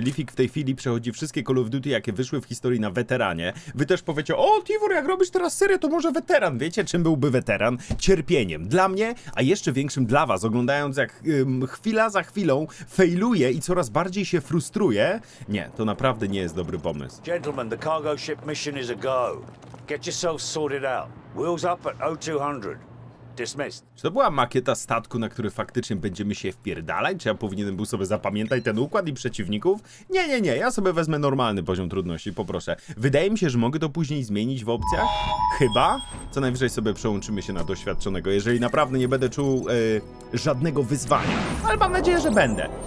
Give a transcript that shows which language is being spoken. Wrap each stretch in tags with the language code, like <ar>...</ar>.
<pl>Lifik w tej chwili przechodzi wszystkie Call of Duty, jakie wyszły w historii na weteranie. Wy też powiecie, o Tivur, jak robisz teraz serię, to może weteran. Wiecie, czym byłby weteran? Cierpieniem. Dla mnie, a jeszcze większym dla was, oglądając jak chwila za chwilą failuje i coraz bardziej się frustruje. Nie, to naprawdę nie jest dobry pomysł.</pl> <en>Gentlemen, the cargo ship mission is a go. Get yourself sorted out. Wheels up at 0200.</en> <pl>Czy to była makieta statku, na który faktycznie będziemy się wpierdalać? Czy ja powinienem był sobie zapamiętać ten układ i przeciwników? Nie, ja sobie wezmę normalny poziom trudności, poproszę. Wydaje mi się, że mogę to później zmienić w opcjach? Chyba? Co najwyżej sobie przełączymy się na doświadczonego, jeżeli naprawdę nie będę czuł żadnego wyzwania. Ale mam nadzieję, że będę.</pl>